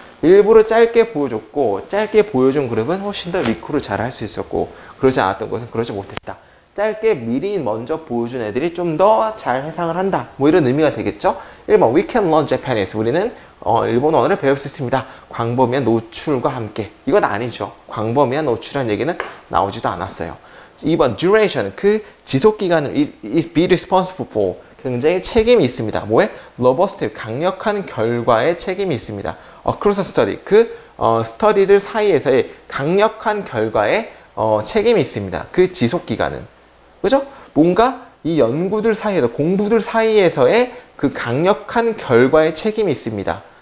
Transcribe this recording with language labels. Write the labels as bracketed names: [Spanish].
[Korean] 일부러 짧게 보여줬고 짧게 보여준 그룹은 훨씬 더 recall을 잘 할 수 있었고 그러지 않았던 것은 그러지 못했다. 짧게 미리 먼저 보여준 애들이 좀 더 잘 회상을 한다. 뭐 이런 의미가 되겠죠? 1번, [English] we can learn Japanese. [Korean] 우리는 일본어를 배울 수 있습니다. 광범위한 노출과 함께. 이건 아니죠. 광범위한 노출이라는 얘기는 나오지도 않았어요. 2번, duration. 그 지속기간을 [English] be responsible for. [Korean] 굉장히 책임이 있습니다. 뭐에? robust, 강력한 결과에 책임이 있습니다. [English] across study. [Korean] 그 study들 사이에서의 강력한 결과에 책임이 있습니다. 그 지속기간은. 그죠? 뭔가 이 연구들 사이에서, 공부들 사이에서의 그 강력한 결과에 책임이 있습니다.